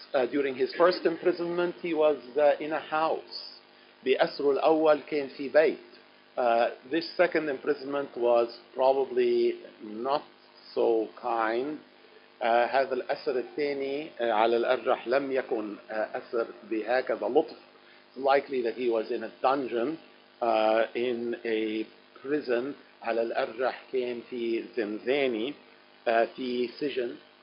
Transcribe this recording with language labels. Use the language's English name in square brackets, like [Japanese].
[English] During his first imprisonment, he was in a house. [Arabic] بأسره الأول كان في بيت. [English] This second imprisonment was probably not so kind. [Arabic] هذا الأسر الثاني على الأرجح لم يكن أسر بهكذا لطف. [English] It's likely that he was in a dungeon, in a prison. [Arabic] على الأرجح كان في زنزاني, في سجن.